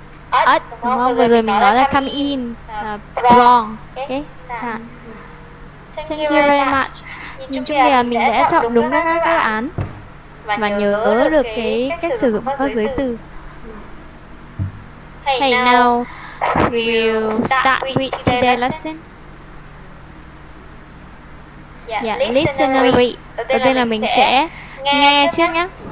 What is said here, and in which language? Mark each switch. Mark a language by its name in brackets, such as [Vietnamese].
[Vietnamese] At, đúng không? Vừa rồi mình nói là [English] come in, wrong. [Vietnamese] Okay, sẵn. [English] Thank you very much. [Vietnamese] Nhìn chung thì mình đã chọn đúng các đáp án và nhớ được cái cách sử dụng các giới từ. [English] Hey now, we will start with today's lesson. Yeah, listen and read. [Vietnamese] Đầu tiên là mình sẽ nghe trước nhé.